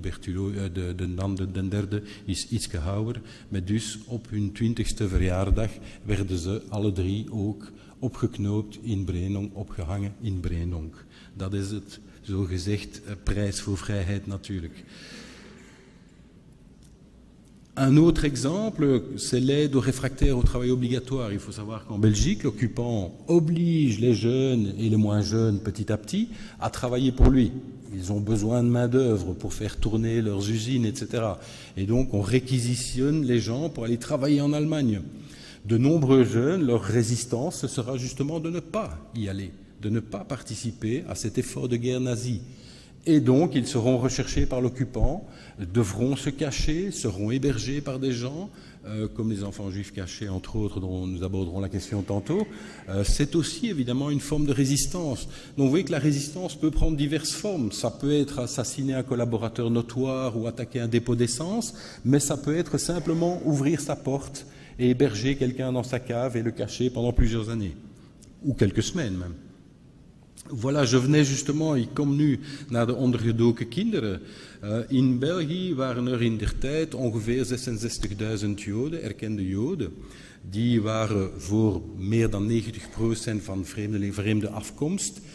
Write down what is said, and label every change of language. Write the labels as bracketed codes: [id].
[nl] Berthulot, de derde, is iets ouder. Maar dus op hun 20ste verjaardag werden ze alle drie ook opgeknoopt in Brenonk, opgehangen in Brenonk. Dat is het zogezegd prijs voor vrijheid natuurlijk. [fr] Un autre exemple, c'est l'aide aux réfractaires au travail obligatoire. Il faut savoir qu'en Belgique, l'occupant oblige les jeunes et les moins jeunes petit à petit à travailler pour lui. Ils ont besoin de main-d'œuvre pour faire tourner leurs usines, etc. Et donc, on réquisitionne les gens pour aller travailler en Allemagne. De nombreux jeunes, leur résistance, ce sera justement de ne pas y aller, de ne pas participer à cet effort de guerre nazie. Et donc, ils seront recherchés par l'occupant, devront se cacher, seront hébergés par des gens, comme les enfants juifs cachés, entre autres, dont nous aborderons la question tantôt. C'est aussi, évidemment, une forme de résistance. Donc, vous voyez que la résistance peut prendre diverses formes. Ça peut être assassiner un collaborateur notoire ou attaquer un dépôt d'essence, mais ça peut être simplement ouvrir sa porte et héberger quelqu'un dans sa cave et le cacher pendant plusieurs années, ou quelques semaines même. Voilà, je venais justement, [nl] ik kom nu naar de ondergedoken kinderen. In België waren er in der tijd ongeveer 66.000 Joden, erkende Joden. Die waren voor meer dan 90% van vreemde afkomst.